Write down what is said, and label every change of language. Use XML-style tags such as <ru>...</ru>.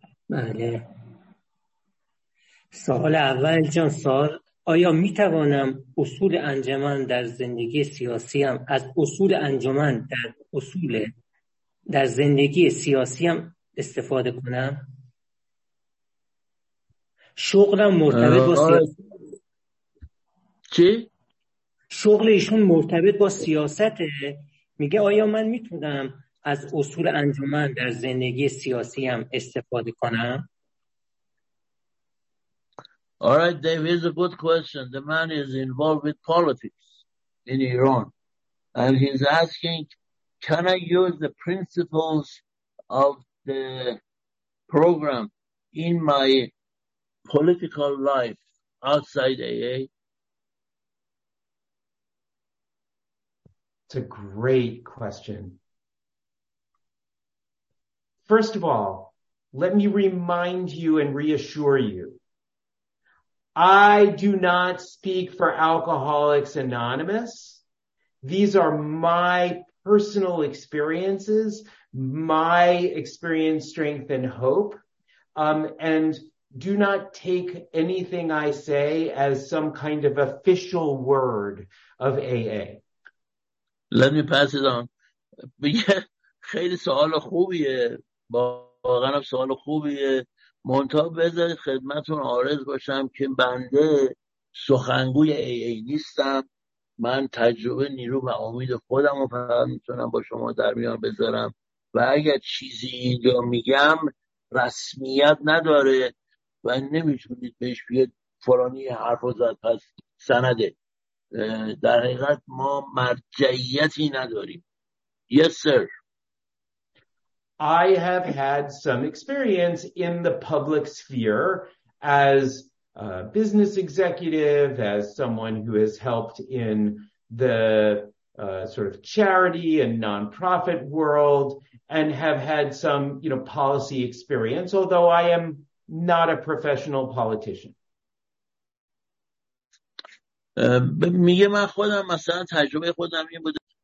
<fa>بله، سوال اول جان، سوال آیا می توانم اصول انجمن در زندگی سیاسی هم از اصول انجمن در اصول در زندگی سیاسی هم استفاده کنم؟ شغلم مرتبط با سیاسی چی؟ شغل ایشون مرتبط با سیاسته، میگه آیا من میتونم از اصول انجمن در زندگی سیاسی هم استفاده کنم؟</fa> <en>Alright, Dave, here's a good question. The man is involved with politics in Iran and he's asking, can I use the principles of the program in my political life outside AA? It's a great question. First of all, let me remind you and reassure you, I do not speak for Alcoholics Anonymous. These are my personal experiences, my experience, strength, and hope. And do not take anything I say as some kind of official word of AA. Let me pass it on.</en> <fa>خیلی سوال خوبیه، واقعا سوال خوبیه. منتها بذارید خدمتتون عارض باشم که بنده سخنگوی AA نیستم. من تجربه، نیرو و امید خودم رو فقط میتونم با شما در میان بذارم و اگر چیزی اینجا میگم رسمیت نداره و نمیتونید بهش بگید فلانی حرف رو زد پس سنده. در حقیقت ما مرجعیتی نداریم.</fa> <en>Yes, sir. I have had some experience in the public sphere as a business executive, as someone who has helped in the sort of charity and nonprofit world, and have had some, you know, policy experience, although I am not a professional politician.</en> <fa>میگه من خودم مثلا تجربه خودم این بوده.</fa>